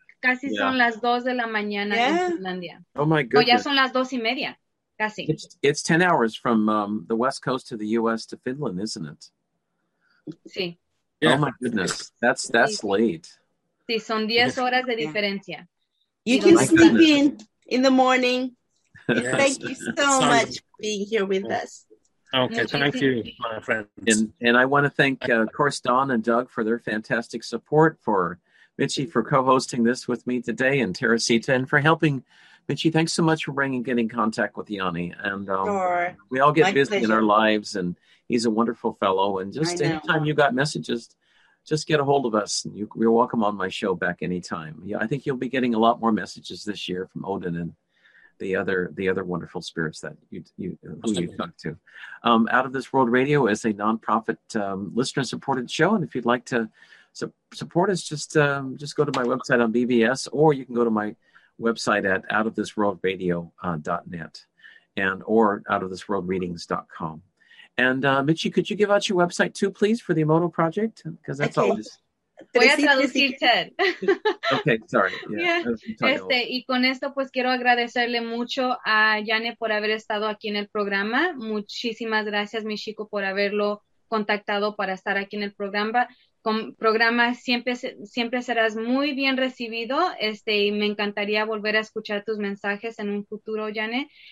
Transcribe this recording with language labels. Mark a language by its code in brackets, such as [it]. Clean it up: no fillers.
[es] Casi son las 2 de la mañana en Finlandia. [en] Oh, my goodness. [es] O ya son las 2 y media. Casi. [en] It's 10 hours from the west coast of the U.S. to Finland, isn't it? [es] Sí. [en] Yeah. Oh, my goodness. That's sí. Late. [es] Sí, son 10 horas de diferencia. [en] Yeah. You can sleep in the morning. Yes. Thank you so much for being here with us. Okay, thank you, my friends. And I want to thank, of course, Don and Doug for their fantastic support, for Mitchie for co-hosting this with me today, and Teresita, and for helping. Mitchie, thanks so much for getting in contact with Yanni. And sure. We all get my busy pleasure. In our lives, and he's a wonderful fellow. And just anytime you got messages, just get a hold of us. And you're welcome on my show back anytime. Yeah, I think you'll be getting a lot more messages this year from Odin and the other wonderful spirits that you talk to. Out of This World Radio is a nonprofit listener-supported show. And if you'd like to support us, just go to my website on BBS, or you can go to my website at outofthisworldradio.net and or outofthisworldreadings.com. And Mitchie, could you give out your website too, please, for the Emoto Project? Because that's always... [es] Voy a traducir, Ted. [en] Okay, sorry. [es] Y con esto, pues, quiero agradecerle mucho a Yane por haber estado aquí en el programa. Muchísimas gracias, mi chico, por haberlo contactado para estar aquí en el programa. Siempre serás muy bien recibido, y me encantaría volver a escuchar tus mensajes en un futuro, Yane.